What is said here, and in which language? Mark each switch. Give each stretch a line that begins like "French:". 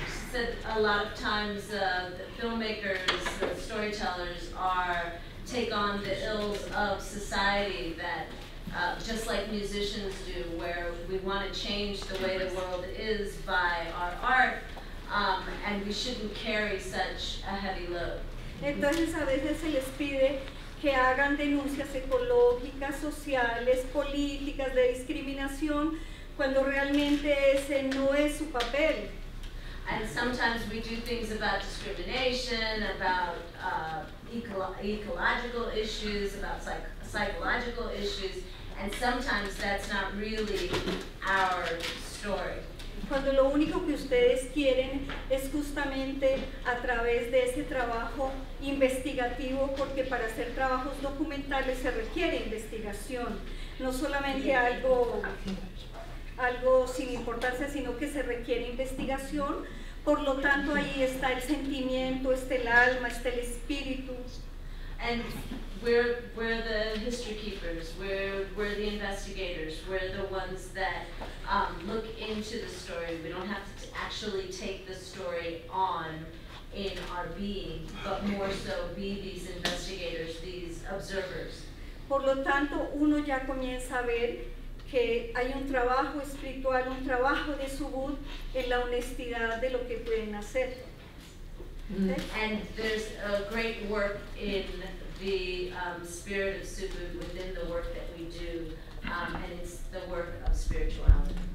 English: Said a lot of times the filmmakers, the storytellers take on the ills of society that just like musicians do, where we want to change the way the world is by our art, and we shouldn't carry such a heavy load.
Spanish: Entonces a veces se les pide que hagan denuncias ecológicas, sociales, políticas, de discriminación, cuando realmente ese no es su papel.
English: And sometimes we do things about discrimination, about ecological issues, about psychological issues, and sometimes that's not really our story.
Spanish: Cuando lo único que ustedes quieren es justamente a través de ese trabajo investigativo, porque para hacer trabajos documentales se requiere investigación, no solamente algo sin importancia, sino que se requiere investigación. Por lo tanto, ahí está el sentimiento, está el alma, está el espíritu.
English: And we're the history keepers, we're the investigators, we're the ones that look into the story. We don't have to actually take the story on in our being, but more so be these investigators, these observers.
Spanish: Por lo tanto, uno ya comienza a ver que hay un trabajo espiritual, un trabajo de Subud en la honestidad de lo que pueden hacer. Mm-hmm.
English: And there's a great work in the spirit of Subud within the work that we do, and it's the work of spirituality.